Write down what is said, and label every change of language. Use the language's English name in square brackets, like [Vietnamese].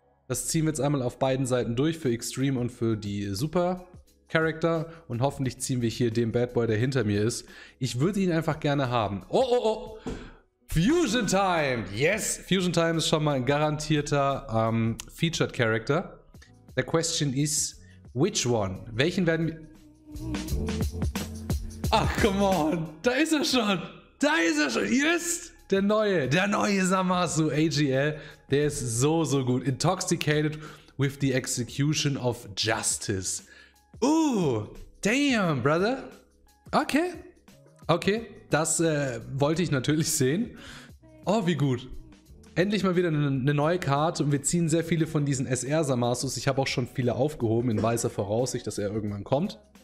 [German] Das ziehen wir jetzt einmal auf beiden Seiten durch, für Extreme und für die Super Character. Und hoffentlich ziehen wir hier den Bad Boy, der hinter mir ist. Ich würde ihn einfach gerne haben. Oh, oh, oh! Fusion Time! Yes! Fusion Time ist schon mal ein garantierter Featured Character. [English] The question is, which one? [German] Welchen werden wir... Ach, [English] come on! [German] Da ist er schon! Da ist er schon! Yes! Der neue Zamasu AGL, der ist so, so gut. [English] Intoxicated with the execution of justice. Ooh, damn, brother. [German] Okay, das wollte ich natürlich sehen. Oh, wie gut. Endlich mal wieder eine neue Karte und wir ziehen sehr viele von diesen SR-Zamasus. Ich habe auch schon viele aufgehoben in weißer Voraussicht, dass er irgendwann kommt.